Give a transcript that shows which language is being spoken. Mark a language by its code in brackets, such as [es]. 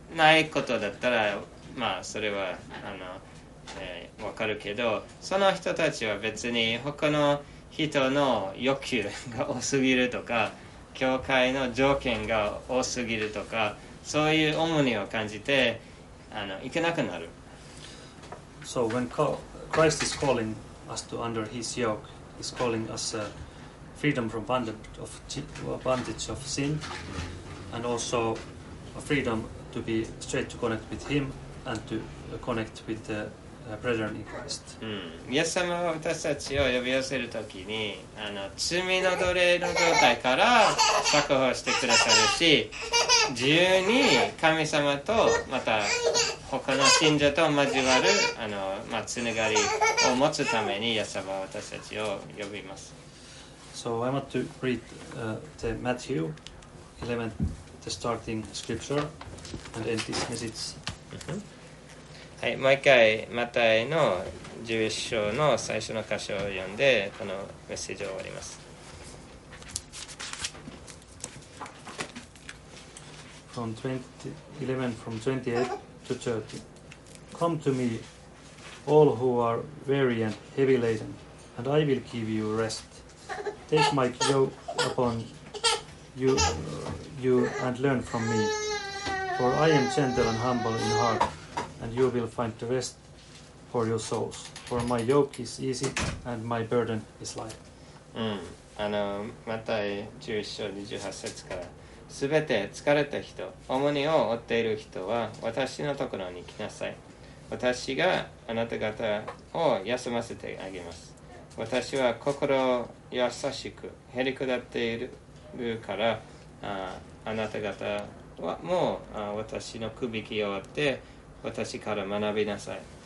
[ja] ないことだったら、まあそれはあの、わかるけど、その人たちは別に他の人の欲求が多すぎるとか、教会の条件が多すぎるとか、そういう重荷を感じてあの行けなくなる。 [en] So when Christ is calling us to under His yoke, He's calling us freedom from bondage of sin, and also a freedom to be straight to connect with Him and to connect with the brethren in Christ. [ja] イエス様は私たちを呼び寄せるときに、あの罪の奴隷の状態から釈放してくださるし、自由に神様とまた他の信者と交わるあの、まあ、つながりを持つためにイエス様は私たちを呼びます。 [en] So I want to read the Matthew 11, the starting scripture, and end this message. [ja] はい、もう一回マタイの11章の最初の箇所を読んでこのメッセージを終わります。 [en] From 20, 11 from 28 to 30. Come to me, all who are weary and heavy laden, and I will give you rest. Take my yoke upon you and learn from me, for I am gentle and humble in heart, and you will find the rest for your souls. For my yoke is easy and my burden is light. [ja] あの、マタイ11章28節から、すべて疲れた人、重荷を負っている人は私のところに来なさい。私があなた方を休ませてあげます。私は心優しく、減り下っているから、あなた方はもう私の首輝きを負って、私から学びなさい。